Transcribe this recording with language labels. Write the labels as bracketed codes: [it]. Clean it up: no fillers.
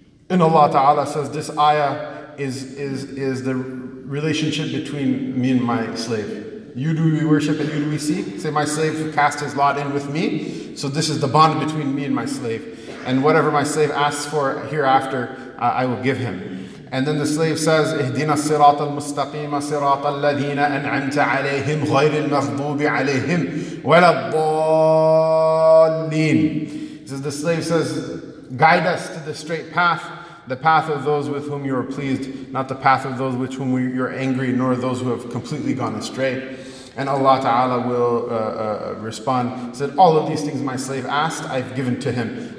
[en] And Allah ta'ala says, this ayah is the relationship between me and my slave. You do we worship and you do we seek. Say, my slave cast his lot in with me. So this is the bond between me and my slave. And whatever my slave asks for hereafter, I will give him. And then the slave says, [ar] اهدنا الصراط المستقيم صراط الذين أنعمت عليهم غير المغضوب عليهم ولا الضالين. [en] So the slave says, guide us to the straight path, the path of those with whom you are pleased, not the path of those with whom you are angry, nor those who have completely gone astray. And Allah Ta'ala will respond, said, all of these things my slave asked, I've given to him.